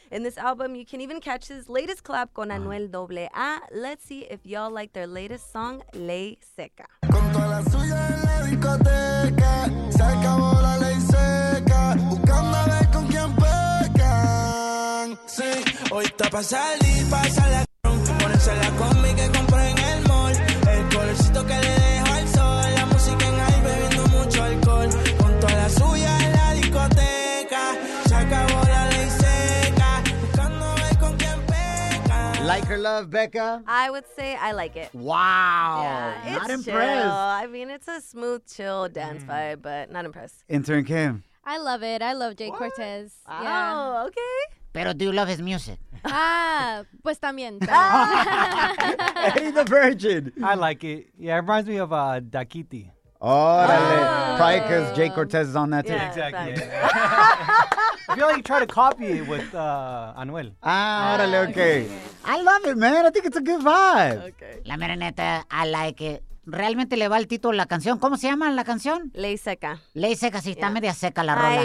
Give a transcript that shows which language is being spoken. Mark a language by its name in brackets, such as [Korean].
[English] In this album, you can even catch his latest collab con Anuel AA. Let's see if y'all like their latest song, Ley Seca. [Spanish] Con toda la suya en la discoteca, se acabó la ley seca, buscando a ver con quién pecan. Sí, hoy está pa' salir, pa' salir, ponerse la combi que compré en el mall, el colorcito que le dejo al sol, la música en ahí bebiendo mucho alcohol. Con toda la suya en la discoteca, se acabó la ley seca, buscando a ver con quién pecan. [English] Like or love, Becca? I would say I like it. Wow. Yeah, not it's impressed. Chill. I mean, it's a smooth, chill dance vibe, but not impressed. Intern Kim? I love it. I love Jay Cortez. Oh, yeah. Okay. [Spanish] Pero [English] do you love his music? [Spanish] pues también. [English] Hey, the Virgin. I like it. Yeah, it reminds me of Daquiti. [Spanish] Órale. Oh. [English] Probably because Jay Cortez is on that too. Yeah, exactly. I feel like you try to copy it with Anuel. Órale, okay. I love it, man. I think it's a good vibe. Okay. [Spanish] La mera neta, [English] I like it. [Spanish] realmente le va el título a la canción. ¿Cómo se llama la canción? Ley seca. Ley seca, sí, está media seca la rola.